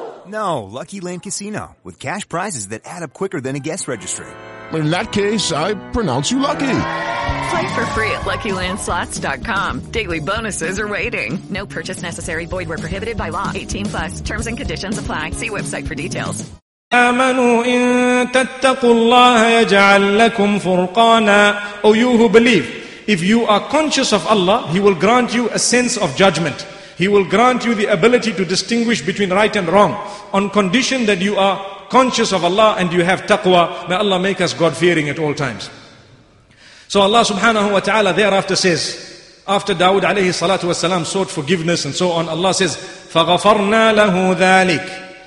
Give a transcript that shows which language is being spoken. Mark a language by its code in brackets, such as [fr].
[en] No, Lucky Land Casino, with cash prizes that add up quicker than a guest registry. In that case, I pronounce you lucky. Play for free at LuckyLandSlots.com. Daily bonuses are waiting. No purchase necessary. Void where prohibited by law. 18 plus. Terms and conditions apply. See website for details. [ar] آمنوا إن تتقوا الله يجعل لكم فرقانا. [en] O you who believe, if you are conscious of Allah, He will grant you a sense of judgment. He will grant you the ability to distinguish between right and wrong, on condition that you are conscious of Allah and you have taqwa. May Allah make us God-fearing at all times. So Allah subhanahu wa ta'ala thereafter says, after Dawood alayhi salatu wa salam sought forgiveness and so on, Allah says, [ar] فَغَفَرْنَا لَهُ ذَٰلِكَ